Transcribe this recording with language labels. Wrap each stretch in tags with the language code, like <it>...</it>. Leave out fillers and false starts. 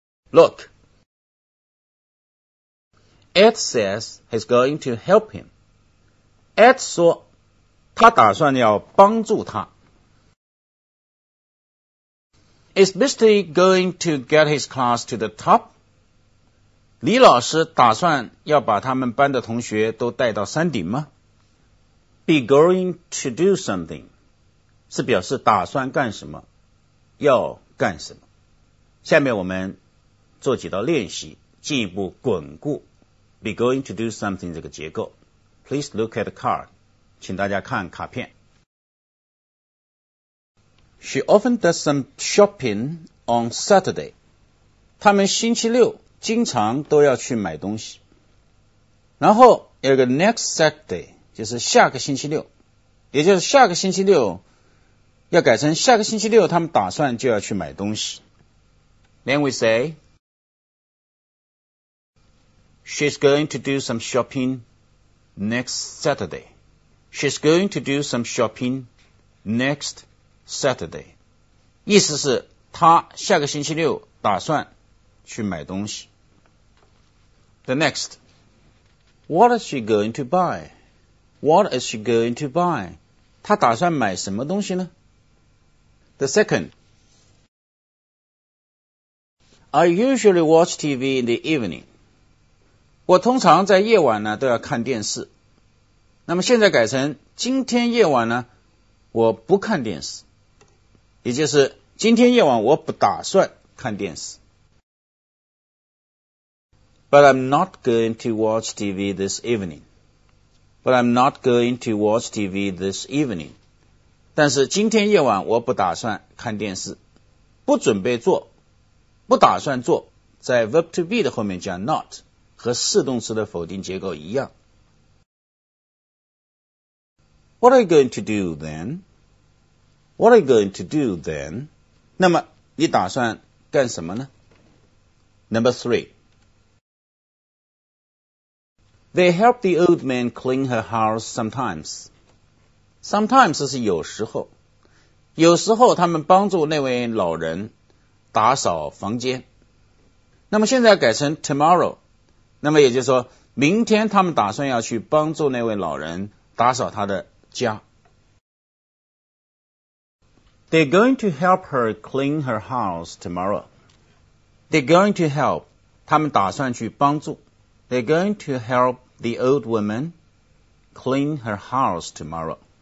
<en>Look, Ed says he's going to help him.</en> <zh>Ed 说他打算要帮助他。</zh> <en>Is Mr. going to get his class to the top?</en> <zh>李老师打算要把他们班的同学都带到山顶吗？</zh> <en>Be going to do something</en> <zh>是表示打算干什么，要干什么。下面我们做几道练习，进一步巩固</zh> <en>be going to do something</en> <zh>这个结构。</zh> <en>Please look at the card.</en> <zh>请大家看卡片。</zh> <en>She often does some shopping on Saturday.</en> <zh>他们星期六经常都要去买东西。然后有个</zh> <en>next Saturday,</en> <zh>就是下个星期六。也就是下个星期六要改成下个星期六他们打算就要去买东西。</zh> <en>Then we say, She's going to do some shopping next Saturday. She's going to do some shopping next Saturday.</en> <zh>意思是她下个星期六打算去买东西。</zh> <en>The next, What is she going to buy? What is she going to buy?</en> <zh>她打算买什么东西呢？</zh> <en>The second, I usually watch TV in the evening.</en> <zh>我通常在夜晚呢都要看电视。那么现在改成今天夜晚呢我不看电视。也就是今天夜晚我不打算看电视。</zh> <en>But I'm not going to watch TV this evening. But I'm not going to watch TV this evening.</en> <zh>但是今天夜晚我不打算看电视，不准备做，不打算做，在</zh> <en>verb to be</en> <zh>的后面加 not 和是动词的否定结构一样。</zh> <en>What are you going to do then? What are you going to do then?</en> <zh>那么你打算干什么呢？</zh> <en>Number three. They help the old man clean her house sometimes.</en> <zh>Sometimes 是有时候，有时候他们帮助那位老人打扫房间。那么现在改成 tomorrow， 那么也就是说明天他们打算要去帮助那位老人打扫他的家。</zh> <en>They're going to help her clean her house tomorrow. They're going to help，</en> <zh>他们打算去帮助。</zh> <en>They're going to help the old woman clean her house tomorrow.</en>